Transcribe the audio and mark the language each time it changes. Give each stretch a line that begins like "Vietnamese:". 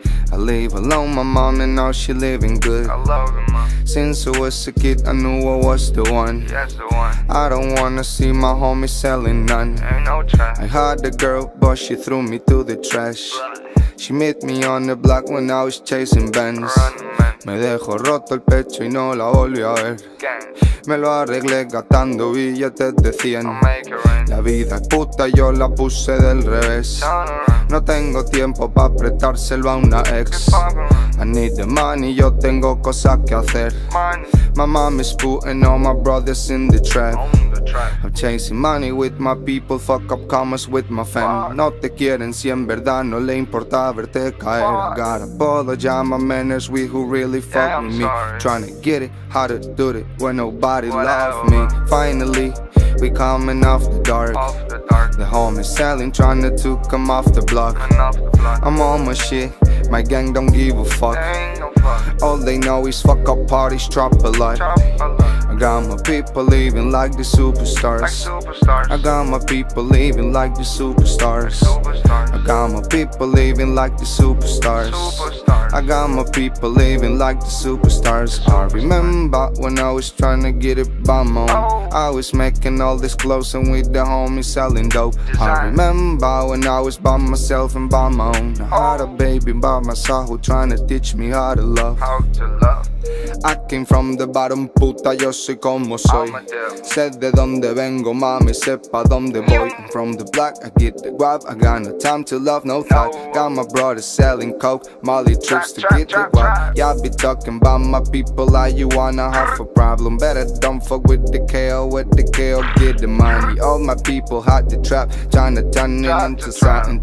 English: I live alone, my mom and now she living good. I love her, mom. Since I was a kid, I knew I was the one. Yes, the one. I don't wanna see my homies selling none. Ain't no trash. I had a girl, but she threw me to the trash. She met me on the block when I was chasing Benz.
Spanish: Me dejó roto el pecho y no la volví a ver. Me lo arreglé gastando billetes de 100. La vida es puta, yo la puse del revés. No tengo tiempo pa' prestárselo a una ex.
English: I need the money,
Spanish: yo tengo cosas que hacer.
English: My mom is putting all my brothers in the trap. I'm chasing money with my people, fuck up commas with my fam.
Spanish: No te quieren si en verdad no le importa verte caer.
English: I got a bottle, ya my manners, we who really fuck yeah, with sorry. Me. Trying to get it, how to do it, when nobody love me. Finally, we coming off the dark. The homies selling, trying to come off the block. I'm on my shit, my gang don't give a fuck. All they know is fuck up parties, drop a lot. I got my people living like the superstars. I got my people living like the superstars. I got my people living like the superstars. I got my people living like the superstars. I remember when I was trying to get it by my own. I was making all this clothes and with the homies selling dope. I remember when I was by myself and by my own. I had a baby by my side who trying to teach me how to love. I came from the bottom,
Spanish: puta, yo soy como soy. Sé de donde vengo, mami, sepa donde voy.
English: I'm from the block, I get the guap. I got no time to love, no thought. Got my brother selling coke, Molly trips to get the guap. Y'all be talking about my people like you wanna have a problem. Better don't fuck with the KO, with the KO, get the money. All my people hot the trap, tryna turn it into something.